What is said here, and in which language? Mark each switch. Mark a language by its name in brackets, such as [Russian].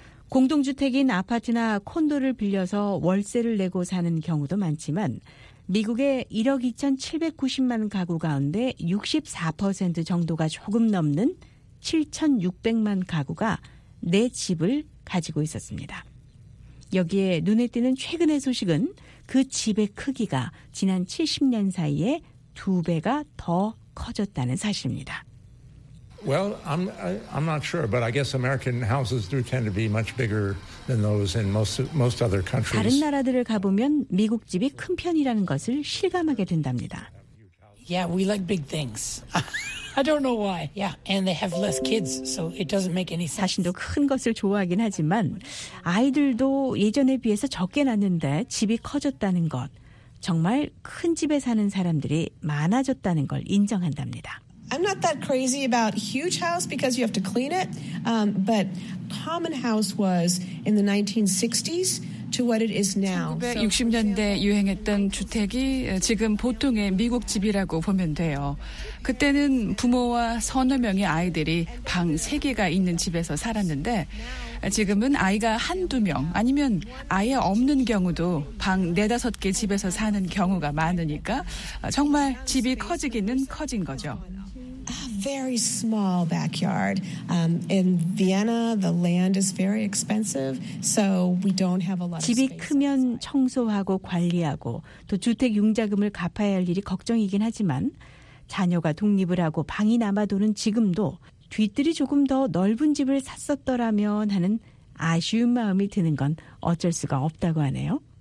[Korean] 공동 주택인 아파트나 콘도를 빌려서 월세를 내고 사는 경우도 많지만 미국의 1억 2,790만 가구 가운데 64% 정도가 조금 넘는 7,600만 가구가 내 집을 가지고 있었습니다. 여기에 눈에 띄는 최근의 소식은 그 집의 크기가 지난 70년 사이에 두 배가 더 커졌다는 사실입니다. [English] Well, I'm not sure, but I guess American houses do tend to be much bigger than those in most other countries. [Korean] 다른 나라들을 가보면 미국 집이 큰 편이라는 것을 실감하게 된답니다. [English] Yeah, we like big things. I don't know why. Yeah, and they have less kids, so it doesn't make any sense. [Korean] 자신도 큰 것을 좋아하긴 하지만 아이들도 예전에 비해서 적게 낳는데 집이 커졌다는 것, 정말 큰 집에 사는 사람들이 많아졌다는 걸 인정한답니다. [English] I'm not that crazy about huge house because you have to clean it, but common house was in the 1960s to what it is now. [Korean] 1960년대 유행했던 주택이 지금 보통의 미국 집이라고 보면 돼요. 그때는 부모와 서너 명의 아이들이 방 세 개가 있는 집에서 살았는데 지금은 아이가 한두 명 아니면 아예 없는 경우도 방 네다섯 개 집에서 사는 경우가 많으니까 정말 집이 커지기는 커진 거죠. [English] A very small backyard. In Vienna, the land is very expensive, so we don't have a lot of space. [Korean] 집이 크면 청소하고 관리하고 또 주택 융자금을 갚아야 할 일이 걱정이긴 하지만 자녀가 독립을 하고 방이 남아도는 지금도 뒤뜰이 조금 더 넓은 집을 샀었더라면 하는 아쉬운 마음이 드는 건 어쩔 수가 없다고 하네요.